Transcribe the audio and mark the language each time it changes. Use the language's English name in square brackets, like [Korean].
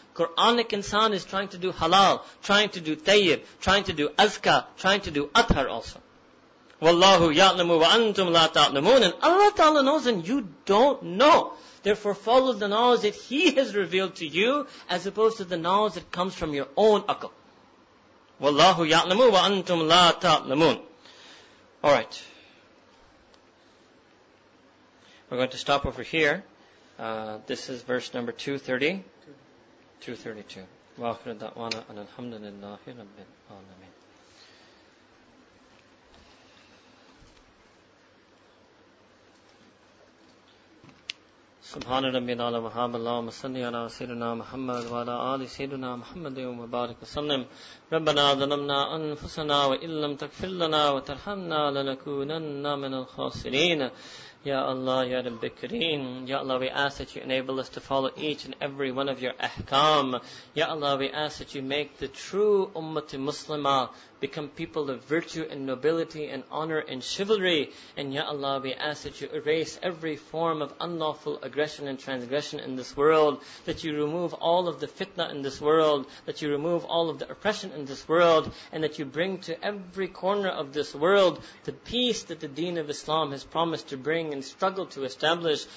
[English] Quranic insan is trying to do halal, trying to do tayyib, trying to do azka, trying to do athar also. [Arabic] وَاللَّهُ يَعْلَمُ وَأَنْتُمْ لَا تَعْلَمُونَ [English] And Allah Ta'ala knows and you don't know. Therefore follow the knowledge that He has revealed to you as opposed to the knowledge that comes from your own akal. [Arabic] وَاللَّهُ يَعْلَمُ وَأَنْتُمْ لَا تَعْلَمُونَ [English] Alright. We're going to stop over here. This is verse number 230. 232. [Arabic] وآخر دعوانا أن الحمد لله رب العالمين. سبحان ربي العلى وهاب اللهم صل على سيدنا محمد وعلى آل سيدنا محمد وبارك وسلم. ربنا ظلمنا أنفسنا وإن لم تغفر لنا وترحمنا لنكونن من الخاسرين. [English] Ya Allah, Ya Rabbi Kareem. Ya Allah, we ask that you enable us to follow each and every one of your ahkam. Ya Allah, we ask that you make the true Ummati Muslimah become people of virtue and nobility and honor and chivalry. And Ya Allah, we ask that you erase every form of unlawful aggression and transgression in this world, that you remove all of the fitna in this world, that you remove all of the oppression in this world, and that you bring to every corner of this world the peace that the Deen of Islam has promised to bring and struggle to establish.